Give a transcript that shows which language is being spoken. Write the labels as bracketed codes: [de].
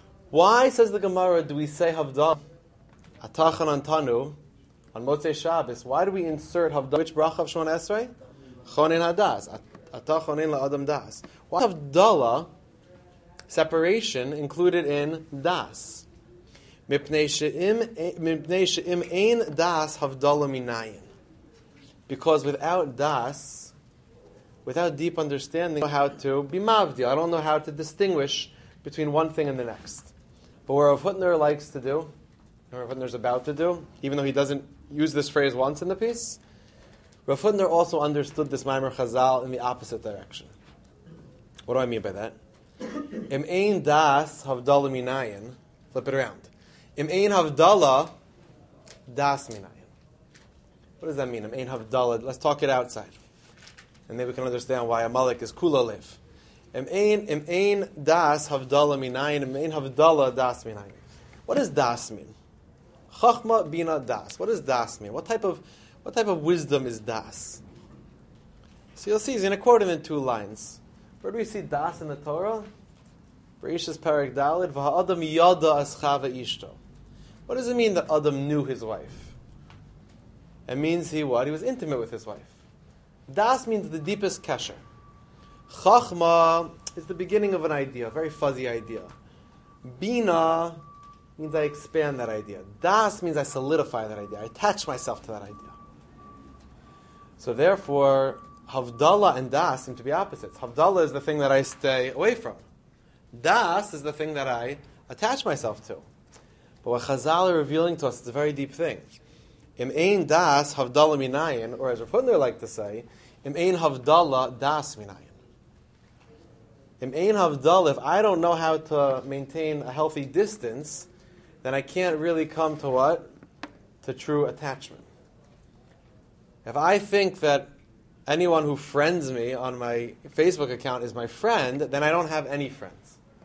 [en] Why, says the Gemara, do we say havdala? [he] Atachan antanu, [en] on Motzei Shabbos, why do we insert havdala? Which bracha of Shemona Esrei? [he] Chonein hadas. Atachonein la'adam das. [en] Why havdala, separation, included in das? [he] Mipnei she'im ein das havdala minayin. [en] Because without das, without deep understanding, I don't know how to be mavdi. I don't know how to distinguish between one thing and the next. But what Rav Huttner likes to do, and Rav Huttner's about to do, even though he doesn't use this phrase once in the piece, Rav Huttner also understood this Maamar Chazal in the opposite direction. What do I mean by that? [he] Im ein das havdala minayin, [en] flip it around. [he] Im ein havdala das minayin. [en] What does that mean? [he] Im ein havdala, [en] let's talk it outside. And then we can understand why Amalek is kula lev. [he] Im ein das havdala minayin, im ein havdala das minayin. [en] What does das mean? [he] Chachma bina das. [en] What does das mean? What type of wisdom is das? So you'll see, he's going to quote it in two lines. Where do we see das in the Torah? Bereishis Perek Dalet, [he] v'ha'adam yada aschava ishto. [en] What does it mean that Adam knew his wife? It means he was intimate with his wife. Das means the deepest kesher. Chachma is the beginning of an idea, a very fuzzy idea. Bina means I expand that idea. Das means I solidify that idea. I attach myself to that idea. So therefore, Havdalah and Das seem to be opposites. Havdalah is the thing that I stay away from. Das is the thing that I attach myself to. But what Chazal are revealing to us is a very deep thing. [he] Im ein Das Havdalah minayin, [en] or as Rav Huttner liked to say, [he] Im ein Havdalah Das minayin. Im ein havdala, [en] if I don't know how to maintain a healthy distance, then I can't really come to what? To true attachment. If I think that anyone who friends me on my Facebook account is my friend, then I don't have any friends.